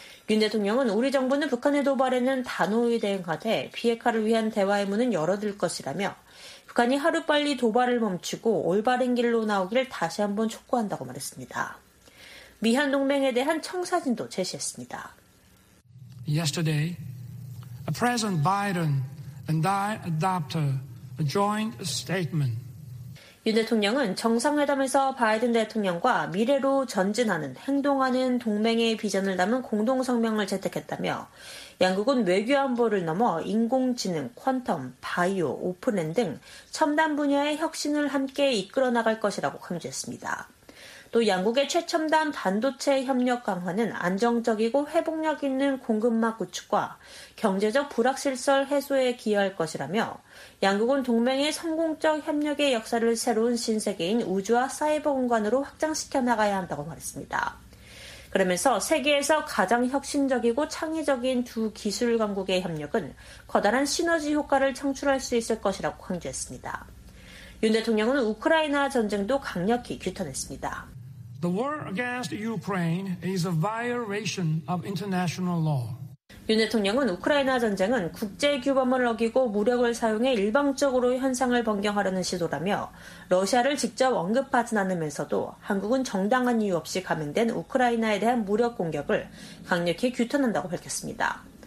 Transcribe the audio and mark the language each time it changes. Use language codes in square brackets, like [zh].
[ko] 윤 대통령은 우리 정부는 북한의 도발에는 단호히 대응하되 비핵화를 위한 대화의 문은 열어둘 것이라며 북한이 하루빨리 도발을 멈추고 올바른 길로 나오기를 다시 한번 촉구한다고 말했습니다. 미한 동맹에 대한 청사진도 제시했습니다. [en] Yesterday, President Biden and I adopted a joint statement. [ko] 윤 대통령은 정상회담에서 바이든 대통령과 미래로 전진하는 행동하는 동맹의 비전을 담은 공동성명을 채택했다며 양국은 외교 안보를 넘어 인공지능, 퀀텀, 바이오, 오픈엔 등 첨단 분야의 혁신을 함께 이끌어 나갈 것이라고 강조했습니다. 또 양국의 최첨단 반도체 협력 강화는 안정적이고 회복력 있는 공급망 구축과 경제적 불확실성 해소에 기여할 것이라며 양국은 동맹의 성공적 협력의 역사를 새로운 신세계인 우주와 사이버 공간으로 확장시켜 나가야 한다고 말했습니다. 그러면서 세계에서 가장 혁신적이고 창의적인 두 기술 강국의 협력은 커다란 시너지 효과를 창출할 수 있을 것이라고 강조했습니다. 윤 대통령은 우크라이나 전쟁도 강력히 규탄했습니다. [en] The war against Ukraine is a violation of international law. [ko] 윤 대통령은 우크라이나 전쟁은 국제 규범을 어기고 무력을 사용해 일방적으로 현상을 변경하려는 시도라며 러시아를 직접 언급하진 않으면서도 한국은 정당한 이유 없이 감행된 우크라이나에 대한 무력 공격을 강력히 규탄한다고 밝혔습니다.